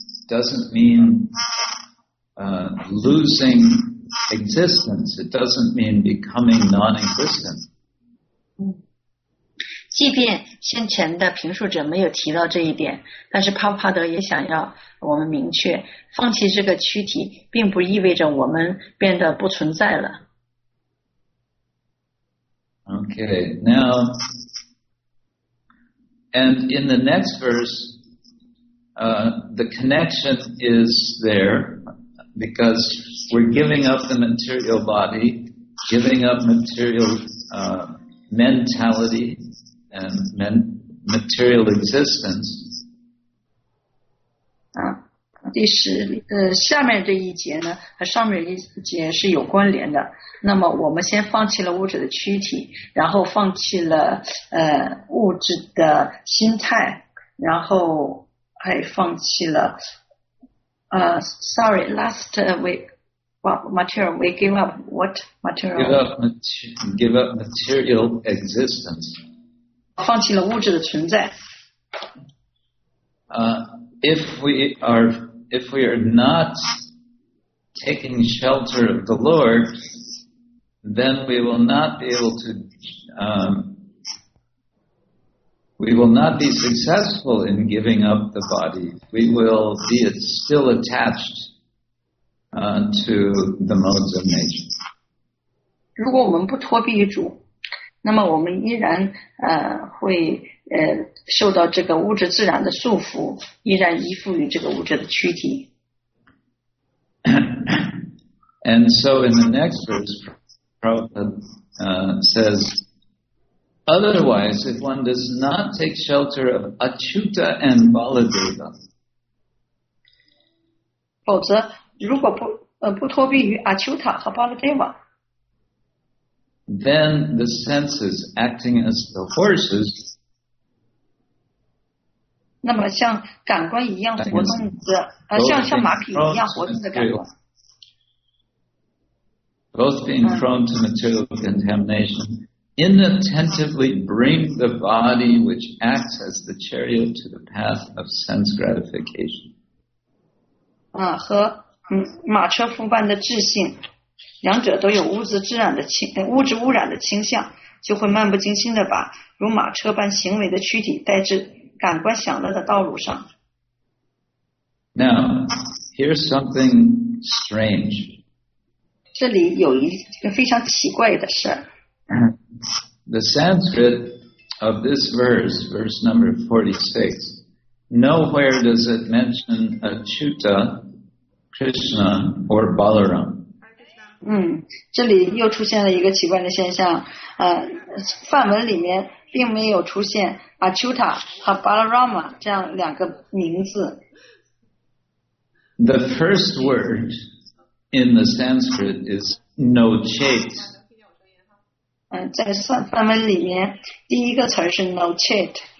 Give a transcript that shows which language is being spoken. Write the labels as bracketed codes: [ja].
[en] Doesn't mean losing existence. It doesn't mean becoming non-existent. [zh] 即便先前的评述者没有提到这一点，但是帕帕德也想要我们明确，放弃这个躯体并不意味着我们变得不存在了。 [en] Okay, now, and in the next verse,the connection is there because we're giving up the material body, giving up material mentality and material existence. [zh] 第十下面这一节呢和上面一节是有关联的。那么我们先放弃了物质的躯体，然后放弃了物质的心态，然后。还放弃了 [en] sorry, last week, what material, we gave up what material? Give up material existence. [zh] 放弃了物质的存在。 [en] If we are not taking shelter of the Lord, then we will not be able to, We will not be successful in giving up the body. We will be still attached to the modes of nature. [zh] 如果我们不脱臂于主，那么我们依然会受到这个物质自然的束缚，依然依附于这个物质的躯体。 [en] And so in the next verse, Prabhupada says, otherwise, if one does not take shelter of Achyuta and Baladeva, [zh] 否则如果 不脱避于 Achyuta 和 Baladeva, [en] then the senses acting as the horses, [zh] 那么像感官一样活动的、像马匹一样活动的感官。 [en] Both being prone to material contamination, inattentively bring the body which acts as the chariot to the path of sense gratification. [zh] 啊，和马车夫般的智性，两者都有物质自然的倾，物质污染的倾向，就会漫不经心的把如马车般行为的躯体带至感官享乐的道路上。 [en] Now, here's something strange. [zh] 这里有一个非常奇怪的事。 [en] The Sanskrit of this verse, verse number 46, nowhere does it mention Achyuta, Krishna, or Balaram. [zh] 嗯，这里又出现了一个奇怪的现象。梵文里面并没有出现 Achyuta 和 Balarama 这样两个名字。 [en] The first word. In the Sanskrit is no chet. [zh] 在梵文里面第一个词是 no chet.